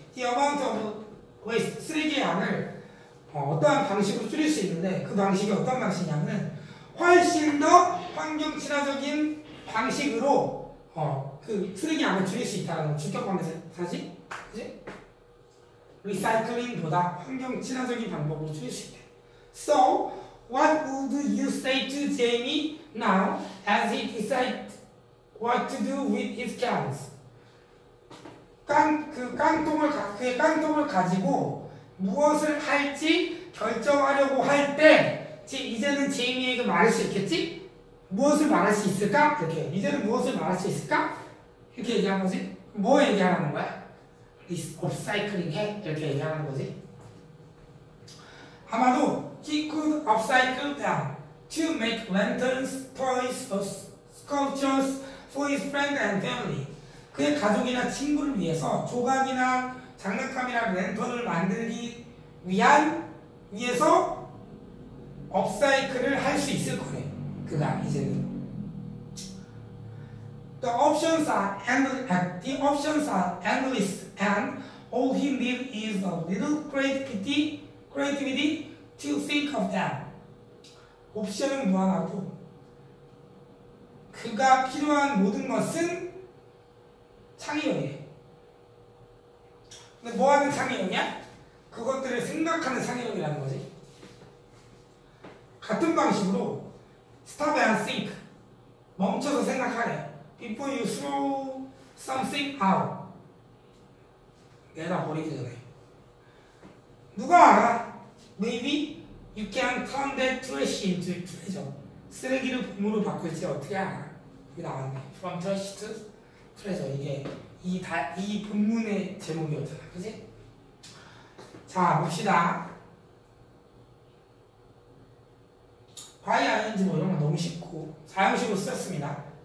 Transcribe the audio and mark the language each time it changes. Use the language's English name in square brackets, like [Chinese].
[English] The amount of waste, [Korean] 쓰레기 양을 어떠한 방식으로 줄일 수 있는데 그 방식이 어떤 방식이냐면 훨씬 더 환경 친화적인 방식으로 그 쓰레기 양을 줄일 수 있다는 주격방에서 다시 그지? 리사이클링보다 환경 친화적인 방법으로 줄일 수 있대. [English] So what would you say to Jamie now as he decides what to do with his cans? [Korean] 그 깡통을 가지고 무엇을 할지 결정하려고 할 때, 이제는 제이미에게 말할 수 있겠지? 무엇을 말할 수 있을까? 이렇게. 이제는 무엇을 말할 수 있을까? 이렇게 얘기한 거지? 뭐 얘기하는 거야? 업사이클링 해? 이렇게 얘기하는 거지? 아마도, [English] he could upcycle them to make lanterns, toys, sculptures for his friend and family. [Korean] 그의 가족이나 친구를 위해서 조각이나 장난감이나 랜턴을 만들기 위해서 업사이클을 할 수 있을 거래. 그가 이제는. [English] The options are endless and all he needs is a little creativity to think of them. [Korean] 옵션은 무한하고 그가 필요한 모든 것은 창의력이에요. 근데 뭐 하는 창의력이야? 그것들을 생각하는 창의력이라는 거지. 같은 방식으로 [English] stop and think. [Korean] 멈춰서 생각하래. [English] Before you throw something out. [Korean] 내다 버리기 전에. 누가 알아? [English] Maybe you can turn that trash into treasure. [Korean] 쓰레기를 보물로 바꿀지 어떻게 알아? 이게 나왔네. [English] From trash to treasure. [Korean] 이게 이 본문의 제목이었잖아, 그지? 자, 봅시다. Why, ing, 뭐 이런 거 너무 쉽고 자형식으로 썼습니다.